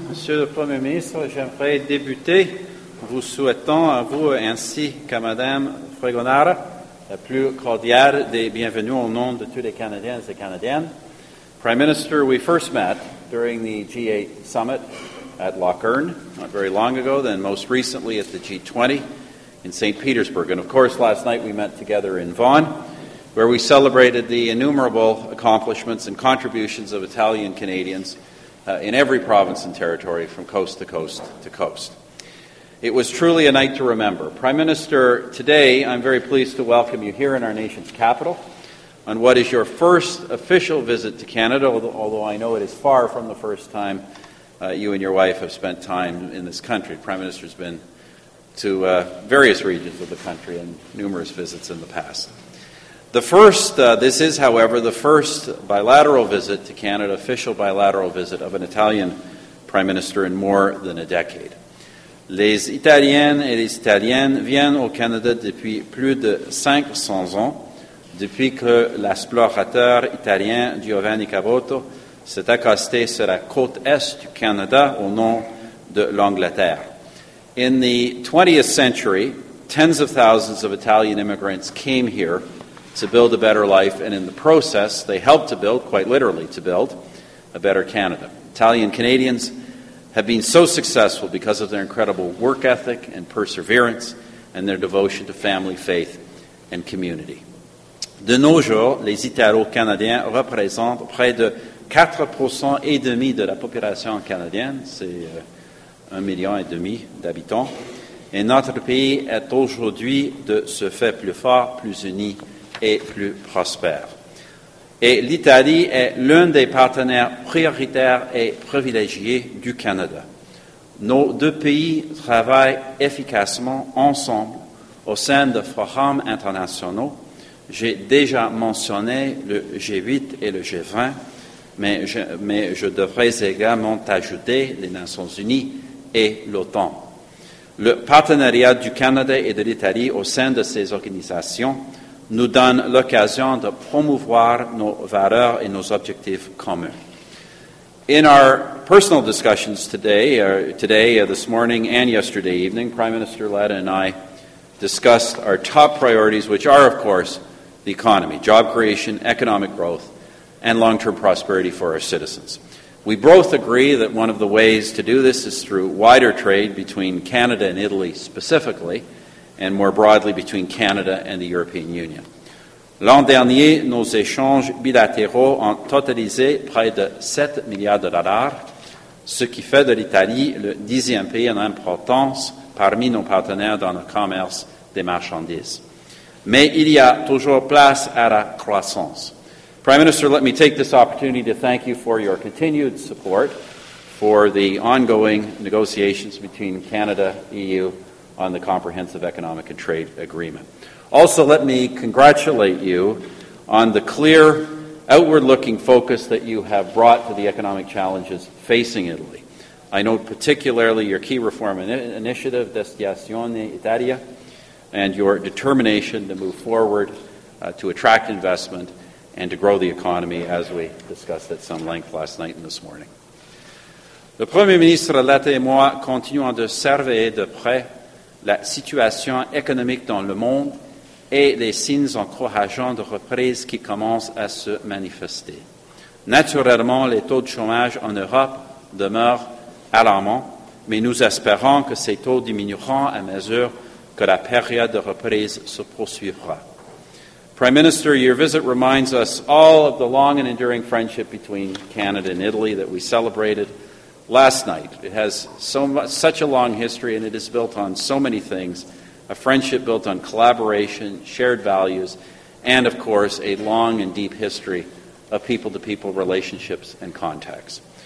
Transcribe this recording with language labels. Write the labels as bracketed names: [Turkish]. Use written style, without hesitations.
[French] Monsieur le Premier ministre, j'aimerais débuter en vous souhaitant à vous ainsi qu'à Madame Fregonara la plus cordiale des bienvenues au nom de tous les Canadiens et Canadiennes. [English] Prime Minister, we first met during the G8 summit at Lockerne not very long ago, then most recently at the G20 in St. Petersburg. And of course, last night we met together in Vaughan, where we celebrated the innumerable accomplishments and contributions of Italian Canadians in every province and territory from coast to coast to coast. It was truly a night to remember. Prime Minister, today I'm very pleased to welcome you here in our nation's capital on what is your first official visit to Canada, although I know it is far from the first time you and your wife have spent time in this country. Prime Minister has been to various regions of the country and numerous visits in the past. This is, however, the first bilateral visit to Canada, official bilateral visit of an Italian Prime Minister in more than a decade. [French] Les Italiennes et les Italiens viennent au Canada depuis plus de 500 ans, depuis que l'explorateur italien Giovanni Caboto s'est accosté sur la côte est du Canada au nom de l'Angleterre. [English] In the 20th century, tens of thousands of Italian immigrants came here to build a better life, and in the process, they helped to build, quite literally, to build a better Canada. Italian Canadians have been so successful because of their incredible work ethic and perseverance and their devotion to family, faith, and community. [French] De nos jours, les Italo-Canadiens représentent près de 4% et demi de la population canadienne, c'est 1,5 million d'habitants, et notre pays est aujourd'hui de ce fait plus fort, plus uni, et plus prospère. Et l'Italie est l'un des partenaires prioritaires et privilégiés du Canada. Nos deux pays travaillent efficacement ensemble au sein de forums internationaux. J'ai déjà mentionné le G8 et le G20, mais je devrais également ajouter les Nations Unies et l'OTAN. Le partenariat du Canada et de l'Italie au sein de ces organisations nous donne l'occasion de promouvoir nos valeurs et nos objectifs communs. [English] In our personal discussions this morning and yesterday evening, Prime Minister Letta and I discussed our top priorities, which are, of course, the economy, job creation, economic growth, and long-term prosperity for our citizens. We both agree that one of the ways to do this is through wider trade between Canada and Italy specifically, and more broadly between Canada and the European Union. [French] L'an dernier, nos échanges bilatéraux ont totalisé près de 7 milliards de dollars, ce qui fait de l'Italie le 10e pays en importance parmi nos partenaires dans le commerce des marchandises. Mais il y a toujours place à la croissance. [English] Prime Minister, let me take this opportunity to thank you for your continued support for the ongoing negotiations between Canada, EU, on the Comprehensive Economic and Trade Agreement. Also, let me congratulate you on the clear, outward-looking focus that you have brought to the economic challenges facing Italy. I note particularly your key reform initiative, Destinazione Italia, and your determination to move forward to attract investment and to grow the economy, as we discussed at some length last night and this morning. [French] Le Premier ministre Letta et moi continuons de surveiller de près la situation économique dans le monde et les signes encourageants de reprise qui commencent à se manifester. Naturellement, les taux de chômage en Europe demeurent alarmants, mais nous espérons que ces taux diminueront à mesure que la période de reprise se poursuivra. [English] Prime Minister, your visit reminds us all of the long and enduring friendship between Canada and Italy that we celebrated last night. It has such a long history, and it is built on so many things, a friendship built on collaboration, shared values, and, of course, a long and deep history of people-to-people relationships and contacts.